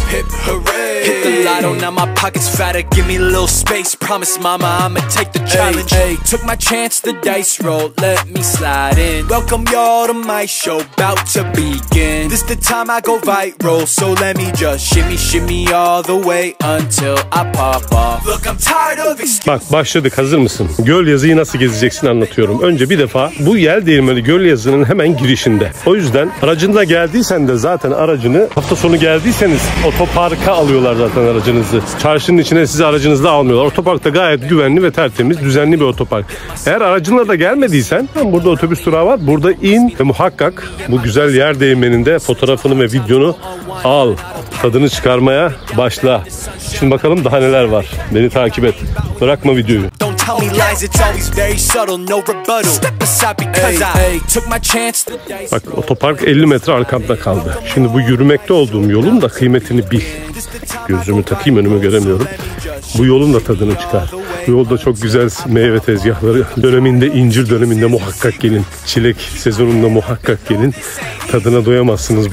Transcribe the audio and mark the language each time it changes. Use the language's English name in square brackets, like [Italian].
[English] Hip hip hooray, hit the lotto, now my pocket's fatter. Give me a little space, promise mama I'ma take the challenge. Hey, hey. Took my chance, the dice roll, let me slide in. Welcome y'all to my show, bout to begin. This the time I go viral, so let me just shimmy shimmy all the way until I pop off. Look, I'm tired of excuses. [Turkish] Bak başladık, hazır mısın? Gölyazı'yı nasıl gezeceksin anlatıyorum. Önce bir defa bu yel değirmeni Gölyazı'nın hemen girişinde. O yüzden aracınla geldiysen de zaten aracını, hafta sonu geldiyseniz otoparka alıyorlar zaten aracınızı. Çarşının içine sizi aracınızla almıyorlar. Otopark da gayet güvenli ve tertemiz, düzenli bir otopark. Eğer aracınla da gelmediysen, burada otobüs durağı var. Burada in ve muhakkak bu güzel yer değirmeninde fotoğrafını ve videonu al. Tadını çıkarmaya başla. Şimdi bakalım daha neler var. Beni takip et. Bırakma videoyu. [English] Tell me lies, it's always very subtle, no rebuttal. Step aside because I took my chance. [Turkish] Bak, otopark 50 metre arkamda kaldı. Şimdi bu yürümekte olduğum yolun da kıymetini bil. Gözümü takayım, önümü göremiyorum. Bu yolun da tadını çıkar. Bu yolda çok güzel meyve tezgahları. Döneminde, incir döneminde muhakkak gelin. Çilek sezonunda muhakkak gelin. Tadına doyamazsınız.